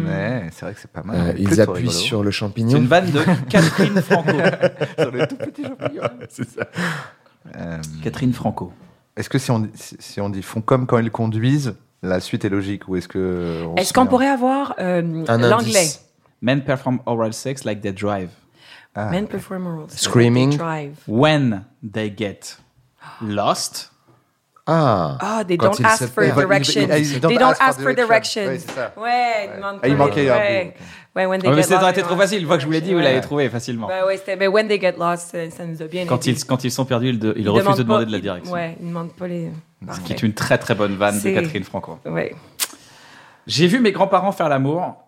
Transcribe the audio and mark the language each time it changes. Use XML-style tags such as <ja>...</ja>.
<fr>Mais c'est vrai que c'est pas mal. Ils appuient sur le champignon. C'est une vanne de Catherine Franco. Sur le tout petit champignon. C'est ça. Catherine Franco. Est-ce que si on dit font comme quand ils conduisent, la suite est logique ou est-ce que... Est-ce qu'on pourrait avoir l'anglais?</fr> <en>Men perform oral sex like they drive. Men perform oral sex. Screaming. Like they drive. When they get lost. Ah. They don't ask for directions. They don't ask for directions.</en> <fr>Ouais. Il manquait un peu.</fr> <en>Ouais, when they get lost.</en> <fr>C'était trop facile. Une fois que je vous l'ai dit, vous l'avez trouvé facilement. Mais</fr> <en>when they get lost,</en> <fr>ça nous a bien aidé. Quand ils sont perdus, ils refusent de demander de la direction. Ouais, ils ne demandent pas les... Ce qui est une très, très bonne vanne de Catherine Franco. Ouais. J'ai vu mes grands-parents faire l'amour.</fr>